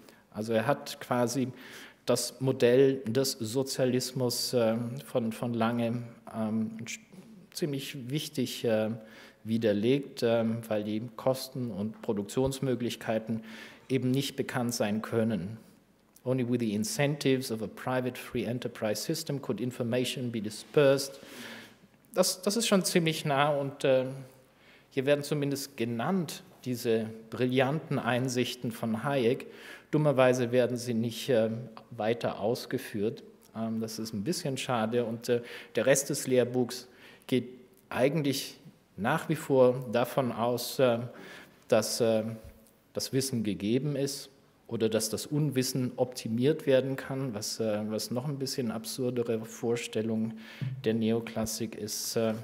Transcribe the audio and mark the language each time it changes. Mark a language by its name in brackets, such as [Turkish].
[German] Also er hat quasi das Modell des Sozialismus von Lange ziemlich wichtig widerlegt, weil die Kosten und Produktionsmöglichkeiten eben nicht bekannt sein können. [English] Only with the incentives of a private free enterprise system could information be dispersed. [German] Das ist schon ziemlich nah und hier werden zumindest genannt diese brillanten Einsichten von Hayek. Dummerweise werden sie nicht weiter ausgeführt. Das ist ein bisschen schade und der Rest des Lehrbuchs geht eigentlich nach wie vor davon aus, dass das Wissen gegeben ist oder dass das Unwissen optimiert werden kann, was noch ein bisschen absurdere Vorstellung der Neoklassik ist.